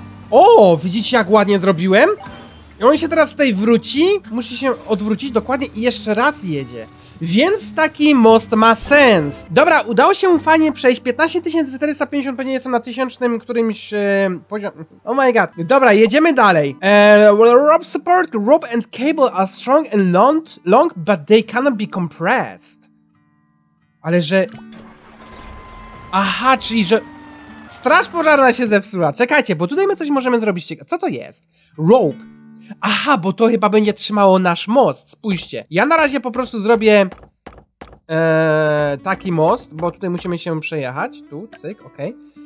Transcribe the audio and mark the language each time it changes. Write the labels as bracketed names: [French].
[Polish] O, widzicie, jak ładnie zrobiłem? I on się teraz tutaj wróci. Musi się odwrócić dokładnie i jeszcze raz jedzie. Więc taki most ma sens. Dobra, udało się fajnie przejść. 15450, pewnie jestem na tysiącznym którymś poziomie. [English] Oh my god. [Polish] Dobra, jedziemy dalej. [English] Rope support, rope and cable are strong and long, but they cannot be compressed. [Polish] Ale że... Aha, czyli że... Straż pożarna się zepsuła. Czekajcie, bo tutaj my coś możemy zrobić. Co to jest? Rope. Aha, bo to chyba będzie trzymało nasz most. Spójrzcie, ja na razie po prostu zrobię taki most, bo tutaj musimy się przejechać. Tu, cyk, okej.